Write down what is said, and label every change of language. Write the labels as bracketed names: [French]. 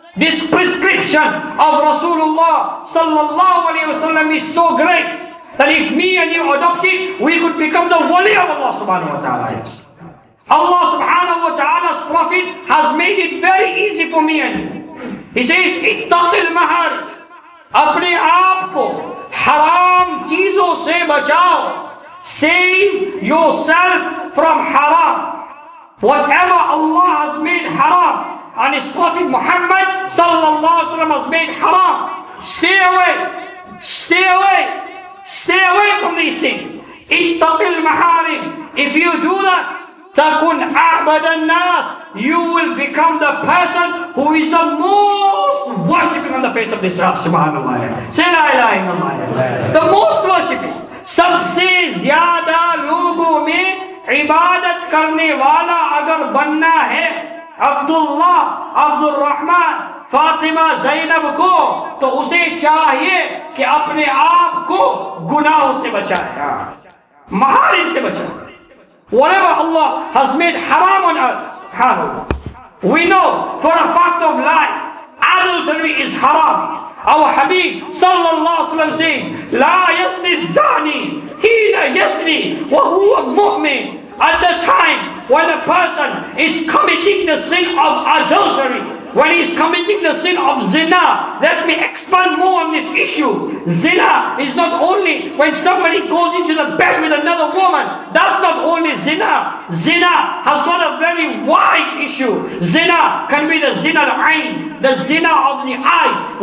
[English] This prescription of Rasulullah sallallahu alayhi wa sallam is so great that if me and you adopt it, we could become the wali of Allah subhanahu wa ta'ala. Yes. Allah subhanahu wa ta'ala's Prophet has made it very easy for me and you. [Arabic] He says, اتَّقِ الْمَحَارِ. [Urdu] اپنے آپ کو حرام چیزوں سے بچاؤ. [English] Save yourself from haram. Whatever Allah has made haram, and his Prophet Muhammad sallallahu alayhi wa sallam has made haram, stay away. Stay away. Stay away from these things. [Arabic] اتق المحارم. [English] If you do that, [Arabic] تكن أعبد الناس. [English] You will become the person who is the most worshipping on the face of this earth. Subhanallah. Say la ilaha illallah. The most worshipping. [Urdu] سبسے زیادہ لوگوں میں عبادت کرنے والا اگر بننا ہے عبداللہ عبدالرحمن فاطمہ زینب کو تو اسے چاہیے کہ اپنے آپ کو گناہوں سے بچائے محارم سے بچائے [English] whatever Allah has made haram on earth we know for a fact of life adultery is haram our Habib sallallahu alaihi wasallam says [Arabic] لا يسني الزاني حين يسني وهو مؤمن [English] at the time when a person is committing the sin of adultery when he's committing the sin of zina. Let me expand more on this issue. Zina is not only when somebody goes into the bed with another woman. That's not only zina. Zina has got a very wide issue. Zina can be the zina al-ayn, the zina of the eyes.